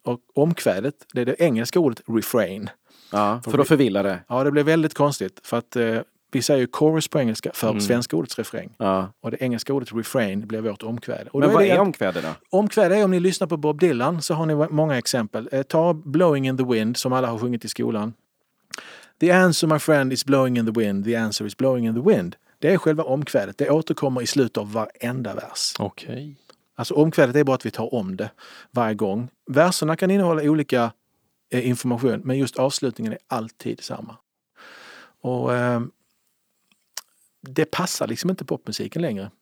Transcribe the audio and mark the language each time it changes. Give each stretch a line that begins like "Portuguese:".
Swedish: Och omkvädet, det är det engelska ordet refrain. Ja, för att förvilla det. Ja, det blev väldigt konstigt, för att vi säger ju chorus på engelska för svenska ordets refräng. Ja. Och det engelska ordet refrain blir vårt omkväde. Men vad är omkväde då? Omkväde är, om ni lyssnar på Bob Dylan så har ni många exempel. Ta Blowing in the Wind som alla har sjungit i skolan.
English: The answer, my friend, is blowing in the wind. The answer is blowing in the wind.
Swedish: Det är själva omkvädet. Det återkommer i slutet av varenda vers. Okej.
English: Okay.
Swedish: Alltså omkvädet är bara att vi tar om det varje gång. Verserna kan innehålla olika information, men just avslutningen är alltid samma. Och det passar liksom inte popmusiken längre.